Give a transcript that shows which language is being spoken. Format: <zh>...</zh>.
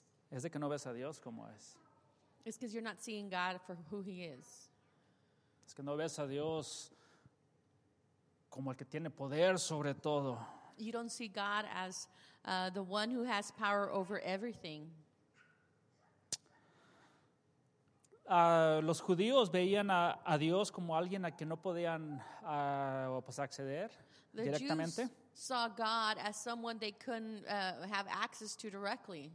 <es>Es de que no ves a Dios como es.</es> <en>It's because you're not seeing God for who he is.</en> <es>Es que no ves a Dios como el que tiene poder sobre todo.</es> <en>You don't see God as the one who has power over everything.</en> <es>Los judíos veían a Dios como alguien a quien no podían acceder</es> <en>the</en> <es>directamente.</es> <en>Jews saw God as someone they couldn't have access to directly.</en>